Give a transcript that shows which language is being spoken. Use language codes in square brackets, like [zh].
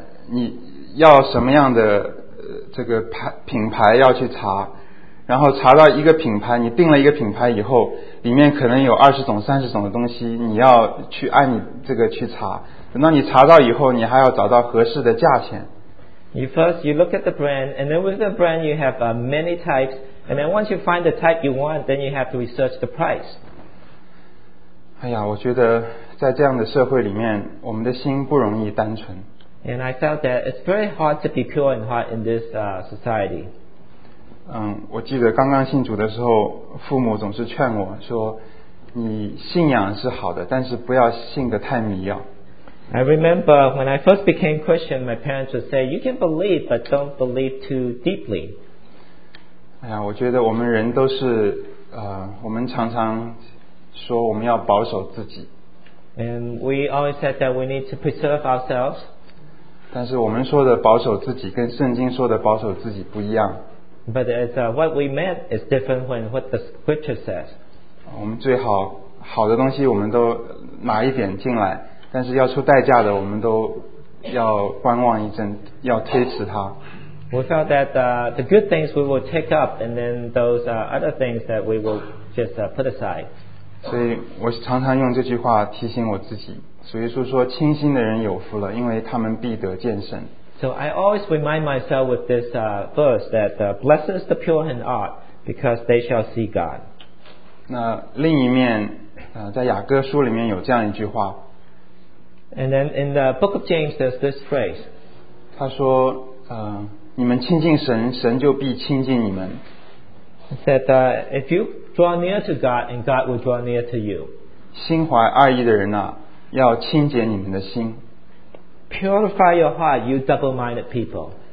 [zh] 你要什么样的这个品牌要去查。然后查到一个品牌你定了一个品牌以后里面可能有二十种三十种的东西你要去按你这个去查等到你查到以后你还要找到合适的价钱 [en] You first you look at the brand and then with the brand you have many types and then once you find the type you want then you have to research the price [zh] 哎呀我觉得在这样的社会里面我们的心不容易单纯 [en] And I felt that it's very hard to be pure in heart in this society [zh] 我记得刚刚信主的时候父母总是劝我说你信仰是好的但是不要信得太迷啊 [en] I remember when I first became Christian my parents would say you can believe but don't believe too deeply [zh] 哎呀我觉得我们人都是我们常常说我们要保守自己 [en] And we always said that we need to preserve ourselves [zh] 但是我们说的保守自己跟圣经说的保守自己不一样 [en] But it's, what we meant is different than what the scripture says. [zh] 我们最好好的东西我们都拿一点进来，但是要出代价的我们都要观望一阵，要推迟它。 [en] We felt that the good things we will take up, and then those other things that we will just put aside. [zh] 所以我常常用这句话提醒我自己。所以说清心的人有福了，因为他们必得见神。 [en] So I always remind myself with this verse that blessed is the pure in heart because they shall see God. [zh] 那另一面，在雅各书里面有这样一句话。 [en] And then in the book of James, there's this phrase. [zh] 他说，你们亲近神，神就必亲近你们。 [en] It said if you draw near to God, and God will draw near to you. [zh] 心怀爱意的人啊，要清洁你们的心。 [en] Purify your heart, you double-minded people.